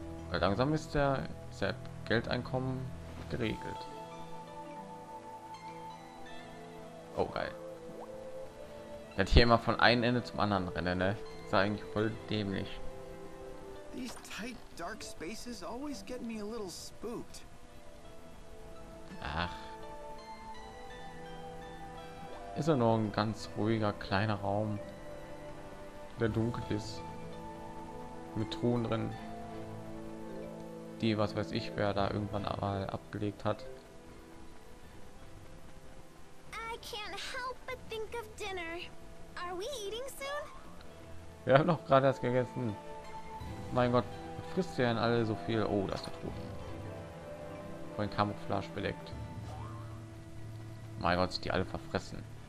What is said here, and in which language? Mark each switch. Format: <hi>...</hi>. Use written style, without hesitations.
<de>Weil langsam ist der Geldeinkommen geregelt. Oh geil. Das hier immer von einem Ende zum anderen rennen, ne? Ist eigentlich voll dämlich.</de> <en>These tight, dark spaces always get me a little spooked. Ach.</en> <de>Ist er nur ein ganz ruhiger kleiner Raum, der dunkel ist, mit Truhen drin, die was weiß ich wer da irgendwann mal abgelegt hat.</de> <en>I can't help but think of dinner. Are we eating soon?</en> <de>Wir haben noch gerade erst gegessen. Mein Gott, frisst ihr denn alle so viel? Oh, das ist der Truhen. Von Camouflage bedeckt. Mein Gott, sind die alle verfressen.</de>